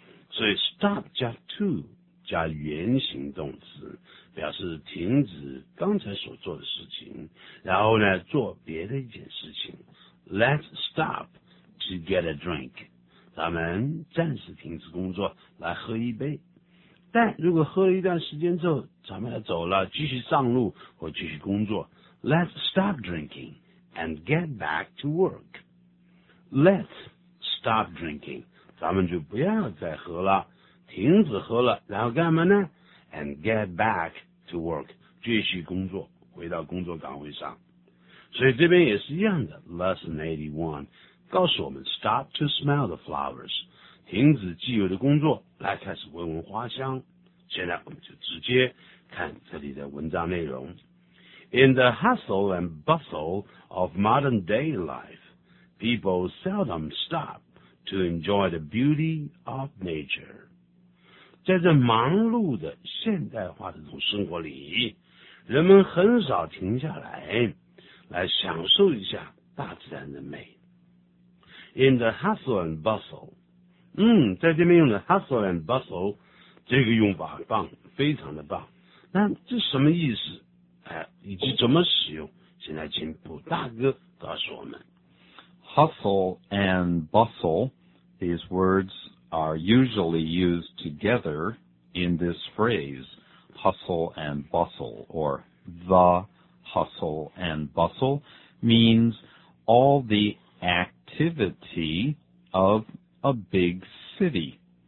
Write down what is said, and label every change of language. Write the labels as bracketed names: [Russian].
[Chinese] 所以 stop 加 to,加原形动词，表示停止刚才所做的事情，然后呢做别的一件事情。 [English] Let's stop to get a drink. [Chinese] 咱们暂时停止工作，来喝一杯。但如果喝了一段时间之后，咱们要走了，继续上路或继续工作。 [English] Let's stop drinking and get back to work. Let's stop drinking. [Chinese] 咱们就不要再喝了。停止喝了，然后干嘛呢 ？ [English] And get back to work， [Chinese] 继续工作，回到工作岗位上。所以这边也是一样的 ，Lesson 81告诉我们 ， [English] Stop to smell the flowers， [Chinese] 停止既有的工作，来开始闻闻花香。现在我们就直接看这里的文章内容。 [English] In the hustle and bustle of modern day life， people seldom stop to enjoy the beauty of nature. [Chinese] 在这忙碌的现代化的生活里，人们很少停下来，来享受一下大自然的美。 [English] In the hustle and bustle, [Chinese] 在这边用的 hustle and bustle, 这个用法棒，非常的棒。那这什么意思？以及怎么使用？现在请卜大哥告诉我们。 [English] Hustle and bustle, these words are usually used together in this phrase, hustle and bustle, or the hustle and bustle, means all the activity of a big city.